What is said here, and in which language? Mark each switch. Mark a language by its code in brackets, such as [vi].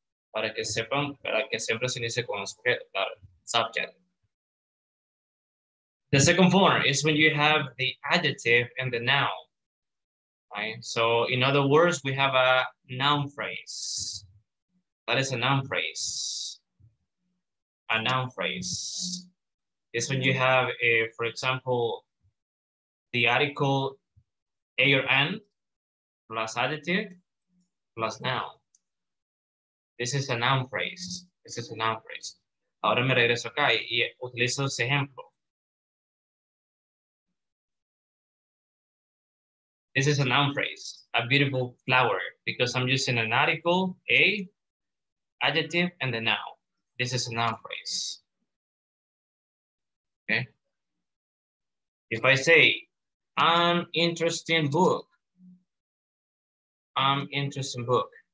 [es] Para que sepan, para que siempre se inicie con el sujeto, claro, subject. [en] The second form is when you have the adjective and the noun. Right. So in other words, we have a noun phrase. That is a noun phrase. A noun phrase is when you have a, for example, the article a or an plus adjective plus noun. This is a noun phrase. This is a noun phrase. [es] Ahora me regreso acá y utilizo ese ejemplo. [en] This is a noun phrase, a beautiful flower, because I'm using an article, a, adjective, and a noun. This is a noun phrase. Okay. If I say, an interesting book, an interesting book.